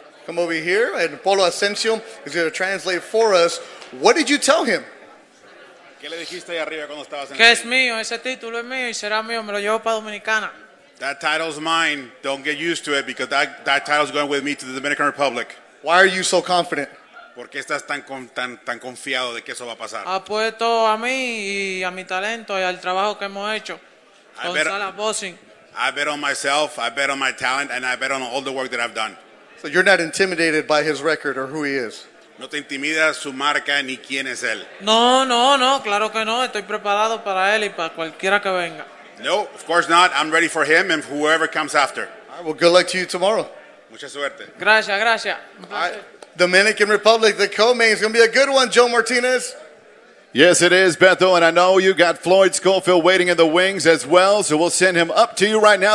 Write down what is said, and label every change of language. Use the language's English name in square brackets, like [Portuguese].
[English] Come over here, and Polo Asensio is going to translate for us. What did you tell him? That title's mine. Don't get used to it, because that title's going with me to the Dominican Republic. Why are you so confident? [Spanish] Porque estás tan confiado de que eso va a pasar. Apuesto a mí y a mi talento y al trabajo que hemos hecho con Salas Boxing. [English] I bet on myself, I bet on my talent, and I bet on all the work that I've done. So you're not intimidated by his record or who he is? [Spanish] No te intimida su marca ni quién es él. No, claro que no. Estoy preparado para él y para cualquiera que venga. [English] No, of course not. I'm ready for him and whoever comes after. All right, well, good luck to you tomorrow. [Spanish] Mucha suerte. Gracias. [English] Dominican Republic, the co-main is going to be a good one, Joe Martinez. Yes, it is, Beto, and I know you got Floyd Schofield waiting in the wings as well, so we'll send him up to you right now.